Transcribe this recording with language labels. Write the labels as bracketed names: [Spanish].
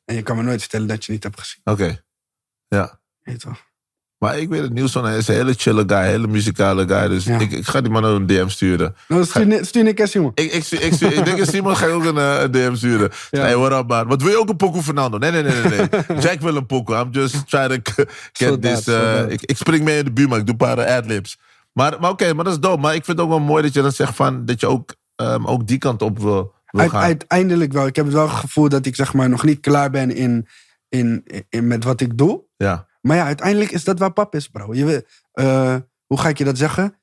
[Dutch] En je kan me nooit vertellen dat je niet hebt gezien. Oké. Okay. Ja. Jeetig. Maar ik weet het nieuws van, hij is een hele chille guy, hele muzikale guy. Dus ja. Ik ga die man ook een DM sturen. Stuur Nick en Simon. Ik denk dat Simon ga ik ook een DM sturen. Ja. [English] Hey, what up, man? [Dutch] Wat wil je ook een pokoe, Fernando? Nee. Jack wil een pokoe. [English] I'm just trying to get so this. [Dutch] Ik spring mee in de buurt, maar ik doe een paar ad-libs. Maar dat is dope. Maar ik vind het ook wel mooi dat je dan zegt van dat je ook die kant op wil gaan. Uiteindelijk wel. Ik heb wel het gevoel dat ik zeg maar nog niet klaar ben in met wat ik doe. Ja. Maar ja, uiteindelijk is dat waar pap is, bro. Je weet, hoe ga ik je dat zeggen?